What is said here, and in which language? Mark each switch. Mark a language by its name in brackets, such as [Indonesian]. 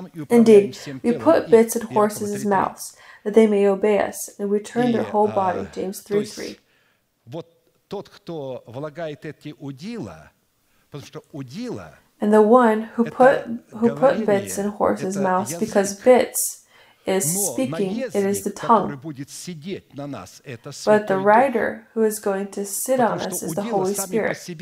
[English] Indeed, we put bits in horses' mouths, that they may obey us, and we turn their whole body, James 3:3. [Russian] Тот, кто влагает эти удила, потому что удила. [English] And the one who put bits in horses' mouths, because bits is speaking, it is the tongue. But the rider who is going to sit on us is the Holy Spirit.